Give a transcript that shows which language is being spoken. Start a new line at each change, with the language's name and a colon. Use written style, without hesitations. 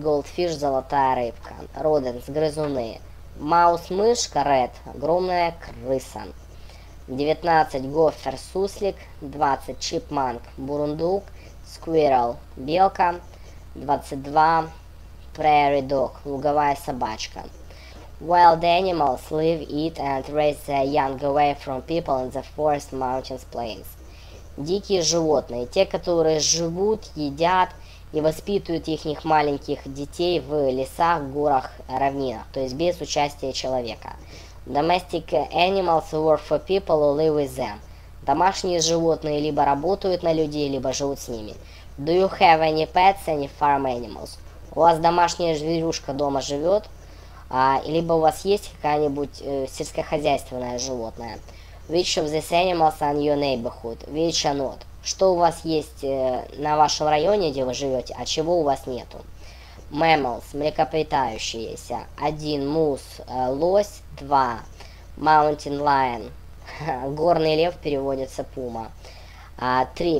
English: Голдфиш,
Russian: золотая рыбка.
English: Роденс,
Russian: грызуны.
English: Маус,
Russian: мышка,
English: рэд,
Russian: огромная крыса. 19.
English: Гофер,
Russian: суслик. 20.
English: Чипманк,
Russian: бурундук.
English: Сквирл,
Russian: белка. 22.
English: Prairie dog
Russian: – луговая собачка.
English: Wild animals live, eat and raise their young away from people in the forest, mountains, plains.
Russian: Дикие животные – те, которые живут, едят и воспитывают их маленьких детей в лесах, горах, равнинах, то есть без участия человека.
English: Domestic animals work for people who live with them.
Russian: Домашние животные либо работают на людей, либо живут с ними.
English: Do you have any pets, any farm animals?
Russian: У вас домашняя зверюшка дома живет, либо у вас есть какая-нибудь сельскохозяйственное животное.
English: Which of these animals are in your neighborhood? Which are not?
Russian: Что у вас есть на вашем районе, где вы живете, а чего у вас нету?
English: Mammals
Russian: – млекопитающиеся. 1.
English: Moose
Russian: – лось. 2.
English: Mountain lion
Russian: – горный лев, переводится пума. 3.